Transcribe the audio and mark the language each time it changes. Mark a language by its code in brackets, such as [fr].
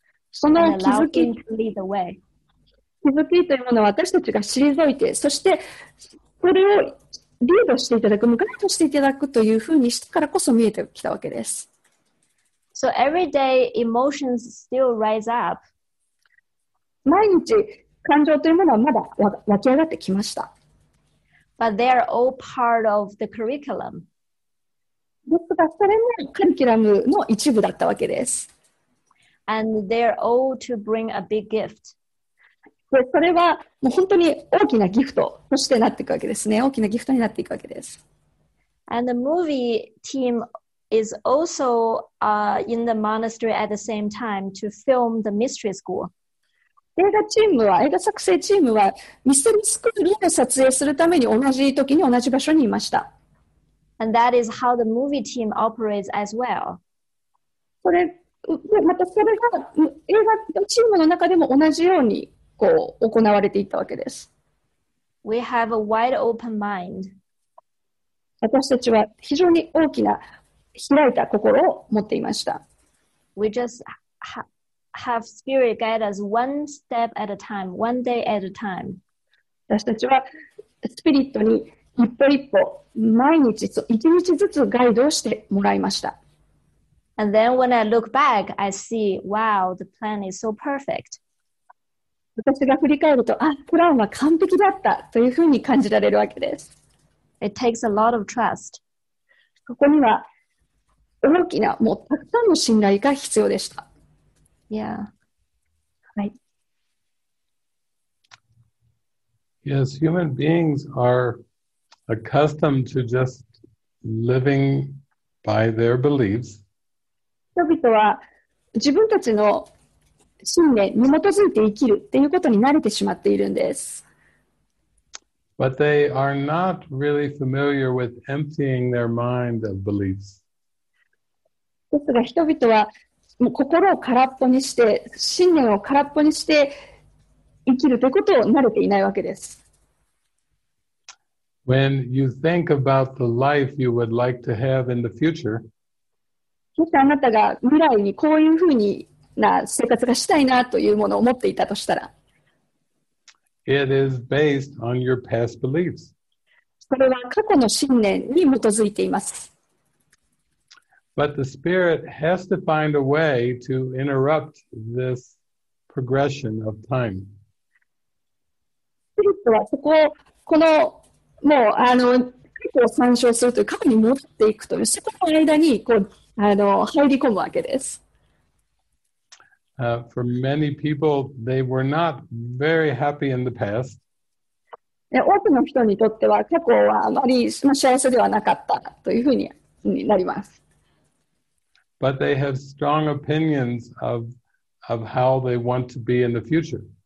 [ja] その気づき、 [en] and allow him to lead the way. [ja] 気づきというものは私たちが退いて、そしてそれをリードしていただく、向かいとしていただくというふうにしてからこそ見えてきたわけです。 [en] So every day, emotions still rise up. [ja] 毎日感情というものはまだ湧き上がってきました。 [en] But they are all part of the curriculum. [ja] ですが、それもカリキュラムの一部だったわけです。 [en] And they are all to bring a big gift. [ja] で、それはもう本当に大きなギフトとしてなっていくわけですね。大きなギフトになっていくわけです。 [en] And the movie team is also in the monastery at the same time to film the mystery school. [ja] 映画チームは、映画作成チームはミステリースクールを撮影するために同じ時に同じ場所にいました。 [en] And that is how the movie team operates as well. [ja] それ、またそれが映画チームの中でも同じようにこう行われていったわけです。 [en] We have a wide open mind. [ja] 私たちは非常に大きな開いた心を持っていました。 [en] We just have spirit guide us one step at a time, one day at a time. [ja] 私たちはスピリットに一歩一歩毎日一日ずつガイドをしてもらいました。 [en] And then when I look back, I see, wow, the plan is so perfect. [ja] 私が振り返ると、あ、プランは完璧だったというふうに感じられるわけです。 [en] It takes a lot of trust. [ja] ここには大きな、もうたくさんの信頼が必要でした。 [en] Yeah. [ja] はい。 [en] Yes, human beings are accustomed to just living by their beliefs. [ja] 人々は自分たちの信念に基づいて生きるっていうことに慣れてしまっているんです。 [en] But they are not really familiar with emptying their mind of beliefs. [ja] ですが人々はもう心を空っぽにして信念を空っぽにして生きるということを慣れていないわけです。 [en] When you think about the life you would like to have in the future, [ja] もしあなたが未来にこういうふうにな生活がしたいなというものを持っていたとしたら、 [en] It is based on your past beliefs. [ja] それは過去の信念に基づいています。 [en] But the spirit has to find a way to interrupt this progression of time. [ja] スピリットはそこをこのもうあの過去を参照するという過去に戻っていくというそこの間にこうあの入り込むわけです。 [en] For many people, they were not very happy in the past. [ja] 多くの人にとっては過去はあまり幸せではなかったというふうになります。 [en] But they have strong opinions of how they want to be in the future.